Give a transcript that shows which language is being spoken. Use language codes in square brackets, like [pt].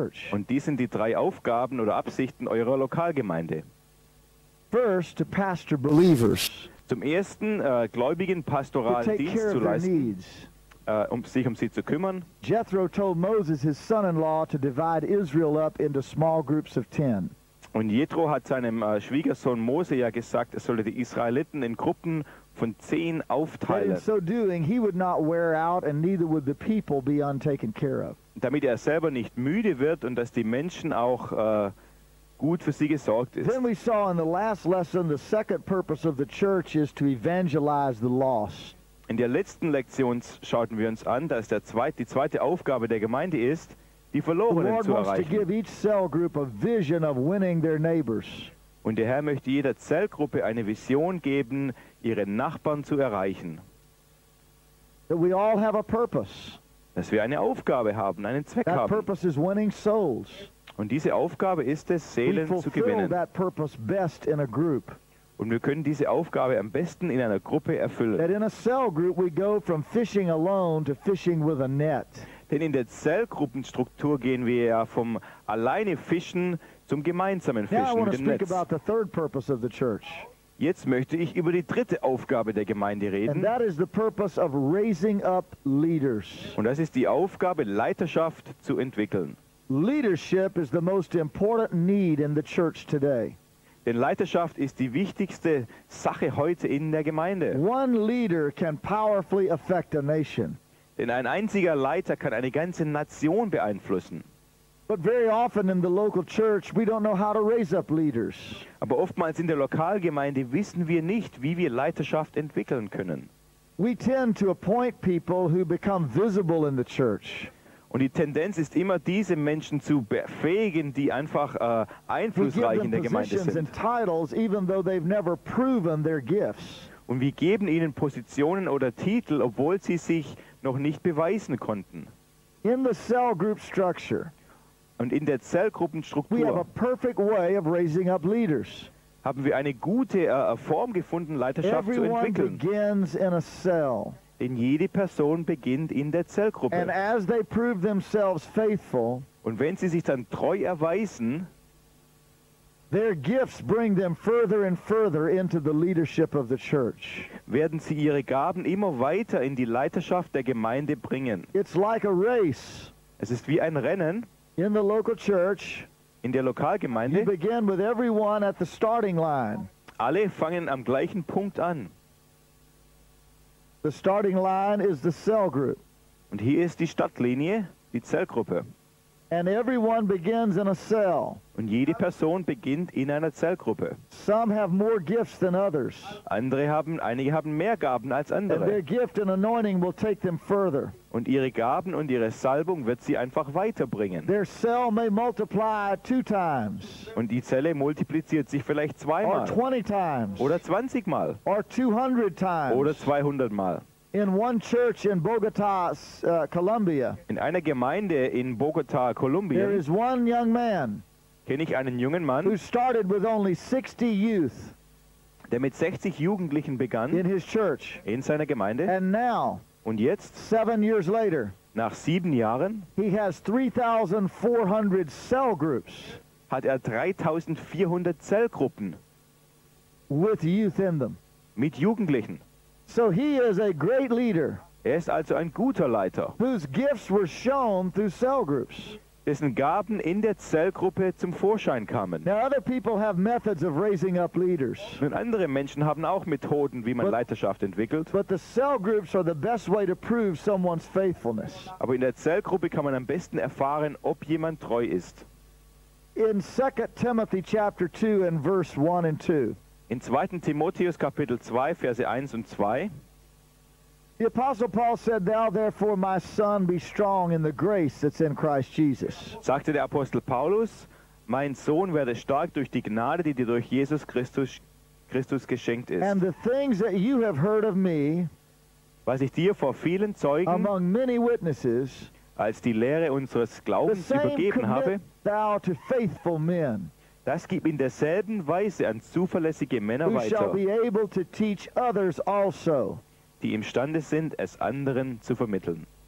[de] Und dies sind die drei Aufgaben oder Absichten eurer Lokalgemeinde. [en] First, to pastor believers. [de] Zum Ersten, Gläubigen pastoralen Dienst zu leisten, sich um sie zu kümmern. [en] Jethro told Moses, his son-in-law, to divide Israel up into small groups of 10. [de] Und Jethro hat seinem Schwiegersohn Mose ja gesagt, er solle die Israeliten in Gruppen von 10 aufteilen. [en] In so doing, he would not wear out, and neither would the people be untaken care of. [de] Damit er selber nicht müde wird und dass die Menschen auch gut für sie gesorgt ist. [en] Then we saw in the last lesson, the second purpose of the church is to evangelize the lost. [de] In der letzten Lektion schauten wir uns an, dass die zweite Aufgabe der Gemeinde ist, die Verlorenen zu erreichen. [en] To give each cell group a vision of winning their neighbors. [de] Und der Herr möchte jeder Zellgruppe eine Vision geben, ihre Nachbarn zu erreichen. [en] That we all have a purpose. [de] Dass wir eine Aufgabe haben, einen Zweck [en] that [de] haben. [en] Purpose is winning souls. [de] Und diese Aufgabe ist es, Seelen [en] we [de] zu gewinnen. [en] That purpose best in a group. [de] Und wir können diese Aufgabe am besten in einer Gruppe erfüllen. [en] That in a cell group we go from fishing alone to fishing with a net. [de] Denn in der Zellgruppenstruktur gehen wir ja vom alleine Fischen zum gemeinsamen Fischen mit dem Netz. [en] Now I speak about the third purpose of the church. [de] Jetzt möchte ich über die dritte Aufgabe der Gemeinde reden. [en] And that is the purpose of raising up leaders. [de] Und das ist die Aufgabe, Leiterschaft zu entwickeln. [en] Leadership is the most important need in the church today. [de] Denn Leiterschaft ist die wichtigste Sache heute in der Gemeinde. [en] One leader can powerfully affect a nation. [de] Denn ein einziger Leiter kann eine ganze Nation beeinflussen. [en] But very often in the local church we don't know how to raise up leaders. [de] Aber oftmals in der Lokalgemeinde wissen wir nicht, wie wir Leiterschaft entwickeln können. [en] We tend to appoint people who become visible in the church. [de] Und die Tendenz ist immer, diese Menschen zu befähigen, die einfach einflussreich in der Gemeinde sind. [en] Titles, even though they've never proven their gifts. [de] Und wir geben ihnen Positionen oder Titel, obwohl sie sich noch nicht beweisen konnten. [en] In the cell group structure, [de] und in der Zellgruppenstruktur [en] we have a perfect way of raising up leaders. [de] Haben wir eine gute Form gefunden, Leiterschaft [en] Everyone [de] zu entwickeln. [en] Begins in a cell. [de] Denn jede Person beginnt in der Zellgruppe. [en] And as they prove themselves faithful, [de] und wenn sie sich dann treu erweisen, [en] their gifts bring them further and further into the leadership of the church. [de] Werden sie ihre Gaben immer weiter in die Leiterschaft der Gemeinde bringen. [en] It's like a race. [de] Es ist wie ein Rennen. [en] In the local church, [de] in der Lokalgemeinde, [en] you begin with everyone at the starting line. [de] Alle fangen am gleichen Punkt an. [en] The starting line is the cell group. [de] Und hier ist die Startlinie, die Zellgruppe. [en] And everyone begins in a cell. [de] Und jede Person beginnt in einer Zellgruppe. [en] Some have more gifts than others. [de] Einige haben mehr Gaben als andere. [en] And their gift and anointing will take them further. [de] Und ihre Gaben und ihre Salbung wird sie einfach weiterbringen. [en] Their cell may multiply two times. [de] Und die Zelle multipliziert sich vielleicht zweimal. [en] Or 20 times. [de] Oder 20 Mal. [en] Or 200 times. [de] Oder 200 Mal. [en] In one church in Bogota, Colombia. [de] In einer Gemeinde in Bogota, Kolumbien. [en] There is one young man. [de] Kenne ich einen jungen Mann. [en] Who started with only 60 youth. [de] Der mit 60 Jugendlichen begann. [en] In his church. [de] In seiner Gemeinde. [en] And now. [de] Und jetzt. [en] 7 years later. [de] Nach 7 Jahren. [en] He has 3,400 cell groups. [de] Hat er 3,400 Zellgruppen. [en] With youth in them. [de] Mit Jugendlichen. [en] So he is a great leader. [de] Er ist also ein guter Leiter. [en] Whose gifts were shown through cell groups. [de] Dessen Gaben in der Zellgruppe zum Vorschein kamen. [en] Now other people have methods of raising up leaders. [de] Und andere Menschen haben auch Methoden, wie man Leiterschaft entwickelt. [en] But the cell groups are the best way to prove someone's faithfulness. [de] Aber in der Zellgruppe kann man am besten erfahren, ob jemand treu ist. [en] In 2 Timothy chapter 2 and verse 1 and 2. [de] In 2. Timotheus Kapitel 2, Verse 1 und 2. [en] The Apostle Paul said, "Thou therefore, my son, be strong in the grace that's in Christ Jesus." [de] Sagte der Apostel Paulus, mein Sohn werde stark durch die Gnade, die dir durch Jesus Christus geschenkt ist. [en] And the things that you have heard of me, [de] was ich dir vor vielen Zeugen, [en] among many witnesses, [de] als die Lehre unseres Glaubens übergeben habe, [en] thou to faithful men. [de] Das gib in derselben Weise an zuverlässige Männer weiter, [en] who shall be able to teach others also, [de] die imstande sind, es anderen zu vermitteln.